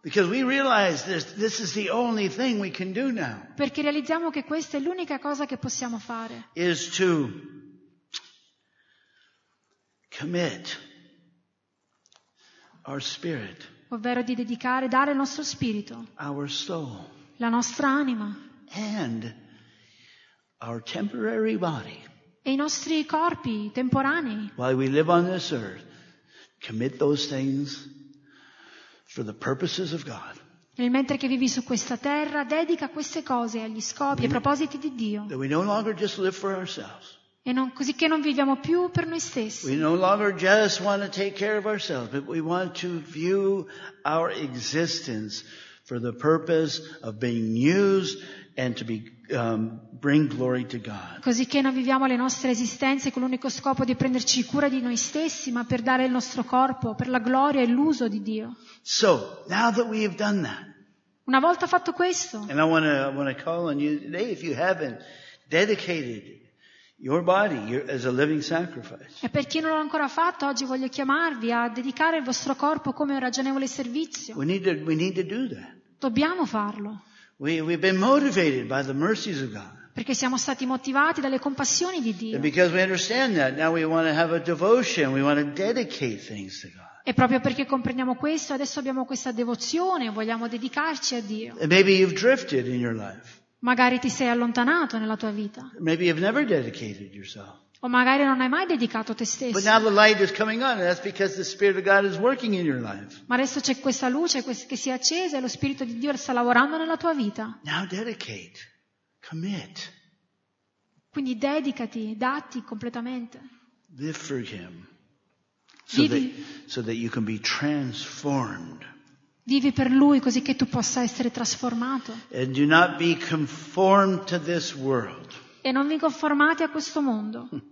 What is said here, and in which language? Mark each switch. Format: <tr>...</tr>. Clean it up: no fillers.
<en>Because we realize this is the only thing we can do now.</en> <it>Perché realizziamo che questa è l'unica cosa che possiamo fare.</it> <en>Is to commit our spirit.</en> <it>Ovvero di dedicare, dare il nostro spirito,</it> <en>our soul,</en> <it>la nostra anima</it> <en>and our temporary body,</en> <it>e i nostri corpi temporanei.</it> <en>While we live on this earth, commit those things for the purposes of God.</en> <it>E mentre che vivi su questa terra, dedica queste cose agli scopi e propositi di Dio.</it> <en>That we no longer just live for ourselves.</en> <it>E non, così che non viviamo più per noi stessi.</it> <en>We no longer just want to take care of ourselves, but we want to view our existence for the purpose of being used and to be bring glory to God.</en> <it>Così che non viviamo le nostre esistenze con l'unico scopo di prenderci cura di noi stessi, ma per dare il nostro corpo per la gloria e l'uso di Dio.</it> <en>So, now that we have done that.</en> <it>Una volta fatto questo.</it> <en>And I want to call on you today if you haven't dedicated your body as a living sacrifice.</en> <it>E per chi non l'ha ancora fatto, oggi voglio chiamarvi a dedicare il vostro corpo come un ragionevole servizio.</it> <en>We need to do that.</en> <it>Dobbiamo farlo.</it> <en>We've been motivated by the mercies of God.</en> <it>Perché siamo stati motivati dalle compassioni di Dio.</it> <en>And because we understand that, now we want to have a devotion, we want to dedicate things to God.</en> <it>E proprio perché comprendiamo questo, adesso abbiamo questa devozione, vogliamo dedicarci a Dio.</it> <en>And maybe you've drifted in your life.</en> <it>Magari ti sei allontanato nella tua vita.</it> <en>Maybe you've never dedicated yourself.</en> <it>O magari non hai mai dedicato te stesso.</it> <en>But now the light is coming on, and that's because the Spirit of God is working in your life.</en> <it>Ma adesso c'è questa luce che si è accesa e lo Spirito di Dio sta lavorando nella tua vita.</it> <en>Now dedicate, commit.</en> <it>Quindi dedicati, datti completamente.</it> <en>Live for Him, so that you can be transformed.</en> <it>Vivi per Lui così che tu possa essere trasformato.</it> <en>And do not be conformed to this world.</en> <it>E non vi conformate a questo mondo.</it>